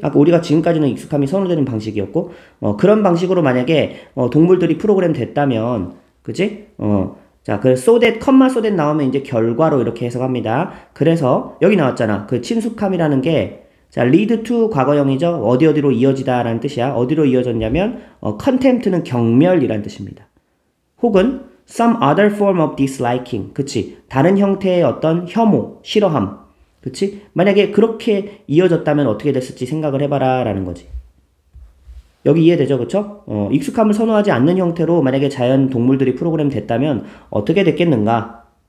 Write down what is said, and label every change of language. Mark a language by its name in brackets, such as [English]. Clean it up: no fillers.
[Korean] 아까 우리가 지금까지는 익숙함이 선호되는 방식이었고, 그런 방식으로 만약에, 동물들이 프로그램 됐다면, 그치? 자, 그 so that, comma so that 나오면 이제 결과로 이렇게 해석합니다. 그래서, 여기 나왔잖아. 그 친숙함이라는 게, 자, lead to 과거형이죠. 어디 어디로 이어지다라는 뜻이야. 어디로 이어졌냐면 contempt는 경멸이란 뜻입니다. 혹은 [English] some other form of disliking. [Korean] 그치? 다른 형태의 어떤 혐오, 싫어함. 그치? 만약에 그렇게 이어졌다면 어떻게 됐을지 생각을 해봐라라는 거지. 여기 이해되죠? 그쵸? 익숙함을 선호하지 않는 형태로 만약에 자연 동물들이 프로그램 됐다면 어떻게 됐겠는가?